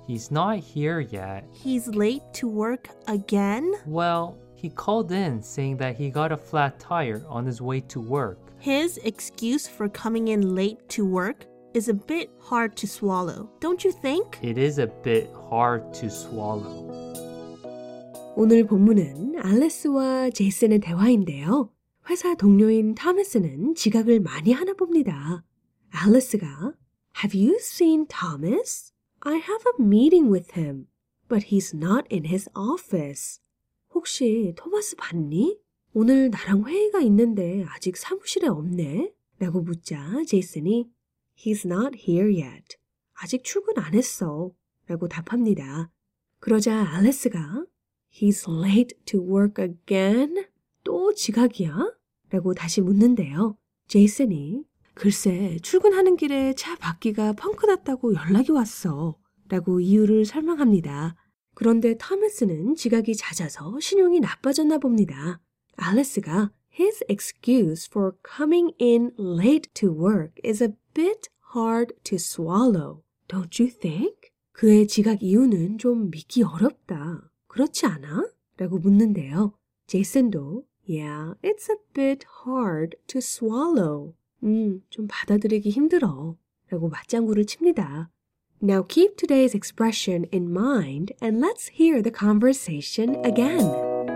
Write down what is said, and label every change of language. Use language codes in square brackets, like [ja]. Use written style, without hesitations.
[en] He's not here yet. He's late to work again? Well, he called in saying that he got a flat tire on his way to work. His excuse for coming in late to work is a bit hard to swallow, don't you think? It is a bit hard to swallow. [ko] 오늘 본문은 알리스와 제이슨의 대화인데요. 회사 동료인 토마스는 지각을 많이 하나 봅니다. 알리스가 [en] Have you seen Thomas? I have a meeting with him, but he's not in his office. [ko] 혹시 토마스 봤니? 오늘 나랑 회의가 있는데 아직 사무실에 없네? 라고 묻자 제이슨이 [en] He's not here yet. [ko] 아직 출근 안 했어. 라고 답합니다. 그러자 알리스가 [en] He's late to work again? [ko] 또 지각이야? 라고 다시 묻는데요. 제이슨이 글쎄 출근하는 길에 차 바퀴가 펑크 났다고 연락이 왔어 라고 이유를 설명합니다. 그런데 토마스는 지각이 잦아서 신용이 나빠졌나 봅니다. [en] 알리스가 His excuse for coming in late to work is a bit hard to swallow. Don't you think? [ko] 그의 지각 이유는 좀 믿기 어렵다. 그렇지 않아? 라고 묻는데요. 제이슨도 [en] Yeah, it's a bit hard to swallow. [ko] 좀 받아들이기 힘들어. 라고 맞장구를 칩니다. [en] Now keep today's expression in mind and let's hear the conversation again.